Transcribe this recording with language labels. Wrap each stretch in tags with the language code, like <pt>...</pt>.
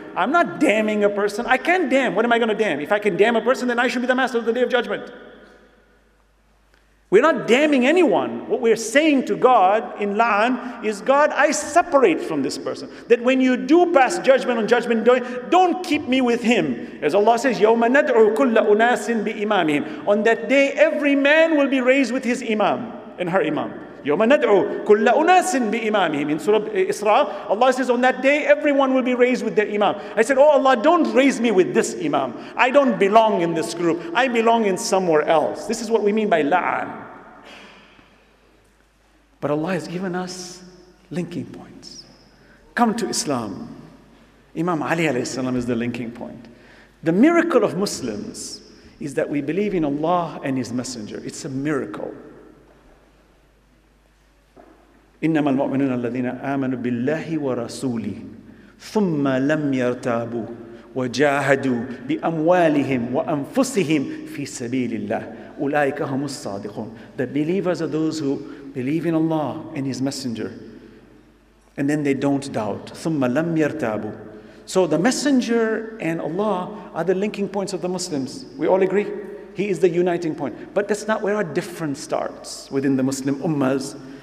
<en>I'm not damning a person. I can't damn. What am I going to damn? If I can damn a person, then I should be the master of the day of judgment. We're not damning anyone. What we're saying to God in la'an is, God, I separate from this person. That when you do pass judgment on judgment, don't keep me with him. As Allah says,</en> <ar>يَوْمَ نَدْعُوا كُلَّ أُنَاسٍ بِإِمَامِهِمْ.</ar> <en>On that day, every man will be raised with his imam. In her imam.</en> <ar>يَوْمَ نَدْعُوا كُلَّ أُنَاسٍ بِإِمَامِهِمْ.</ar> <en>In Surah Isra, Allah says, on that day, everyone will be raised with their imam. I said, oh Allah, don't raise me with this imam. I don't belong in this group. I belong in somewhere else. This is what we mean by la'an. But Allah has given us linking points. Come to Islam. Imam Ali alayhi salam is the linking point. The miracle of Muslims is that we believe in Allah and His Messenger. It's a miracle.</en> <ar>إنما المؤمنون الذين آمنوا بالله ورسوله ثم لم يرتابوا وجاهدوا بأموالهم وأنفسهم في سبيل الله أولئك هم الصادقون.</ar> <en>The believers are those who believe in Allah and His Messenger, and then they don't doubt.</en> <ar>ثم لم يرتابوا.</ar> <en>So the Messenger and Allah are the linking points of the Muslims. We all agree. He is the uniting point. But that's not where our difference starts within the Muslim ummahs.</en>